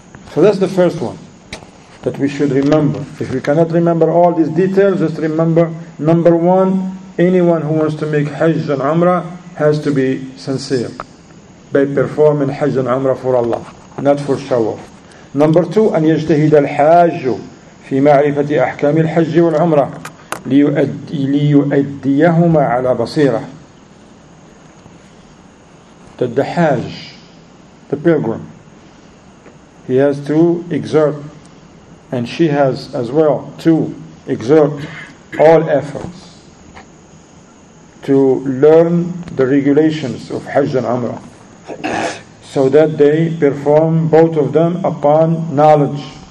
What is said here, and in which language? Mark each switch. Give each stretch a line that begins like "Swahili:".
English: So that's the first one that we should remember. If we cannot remember all these details, just remember number one, anyone who wants to make hajj and umrah has to be sincere by performing Hajj and Umrah for Allah, not for shawaf. Number two,
Arabic: أن يجتهد الحاج في معرفة أحكام الحج والعمرة ليؤديهما على بصيرة.
English: That the Hajj, the pilgrim, he has to exert, and she has as well to exert all efforts to learn the regulations of Hajj and Umrah, so that they perform both of them upon knowledge.